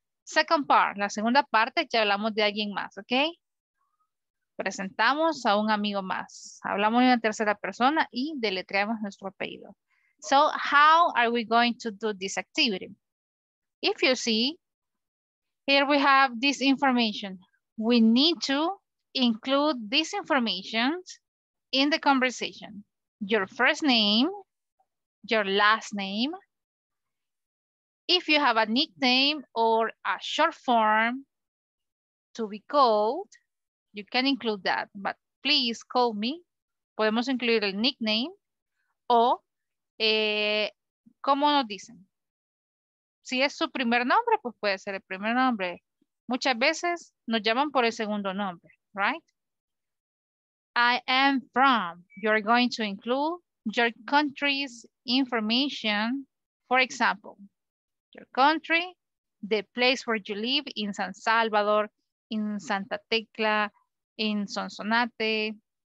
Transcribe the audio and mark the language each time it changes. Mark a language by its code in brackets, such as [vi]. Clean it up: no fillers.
[en] Second part, [es] la segunda parte que hablamos de alguien más, ¿ok? Presentamos a un amigo más. Hablamos de una tercera persona y deletreamos nuestro apellido. [en] So, how are we going to do this activity? If you see, here we have this information. We need to include this information in the conversation. Your first name, your last name. If you have a nickname or a short form to be called, you can include that, but please call me. [es] Podemos incluir el nickname o ¿cómo nos dicen? Si es su primer nombre, pues puede ser el primer nombre. Muchas veces nos llaman por el segundo nombre, right? [en] I am from, you're going to include your country's information. For example, your country, the place where you live in San Salvador, in Santa Tecla, in Sonsonate.